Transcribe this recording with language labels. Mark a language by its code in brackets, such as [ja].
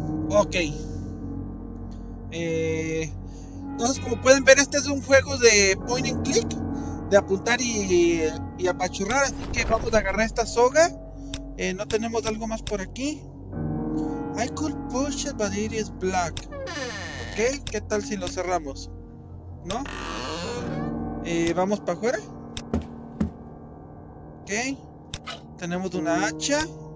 [es] Ok. Entonces, como pueden ver, este es un juego de point and click, de apuntar y apachurrar, así que vamos a agarrar esta soga. No tenemos algo más por aquí. [en] I could push it, but it is black. [es] Ok, ¿qué tal si lo cerramos? ¿No? Vamos para afuera. Ok. Tenemos una hacha.